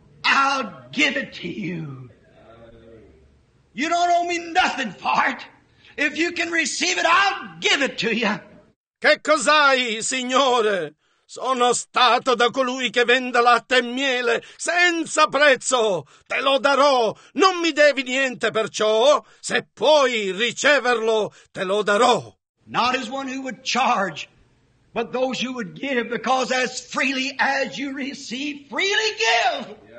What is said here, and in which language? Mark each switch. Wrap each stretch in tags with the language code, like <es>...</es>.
<en>I'll give it to you. You don't owe me nothing for it. If you can receive it, I'll give it to you.</en> <it>Che cos'hai, signore? Sono stato da colui che vende latte e miele senza prezzo. Te lo darò. Non mi devi niente perciò. Se puoi riceverlo, te lo darò.</it> <en>Not as one who would charge, but those who would give, because as freely as you receive, freely give.</en>